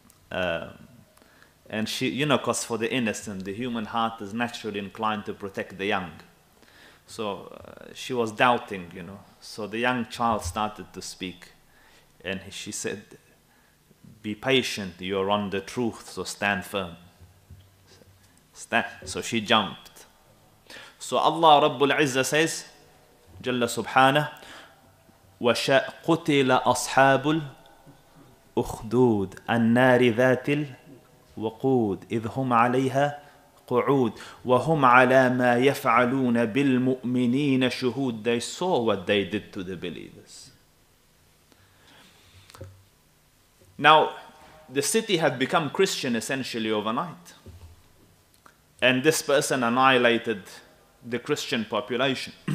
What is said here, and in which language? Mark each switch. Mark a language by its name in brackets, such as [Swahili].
[English] And she, you know, because for the innocent, the human heart is naturally inclined to protect the young. So she was doubting, you know. So the young child started to speak. And she said, be patient, you're on the truth, so stand firm. So she jumped. [Arabic] So Allah Rabbul Izzah says, Jalla Subhanahu, وَشَاء قُتِلَ أَصْحَابُ الْأُخْدُودِ النَّارِ ذَاتِ الْوَقُودِ إِذْ هُمْ عَلَيْهَا قُعُودِ وَهُمْ عَلَى مَا يَفْعَلُونَ بِالْمُؤْمِنِينَ شُهُودِ. [English] They saw what they did to the believers. Now, the city had become Christian essentially overnight. And this person annihilated the Christian population.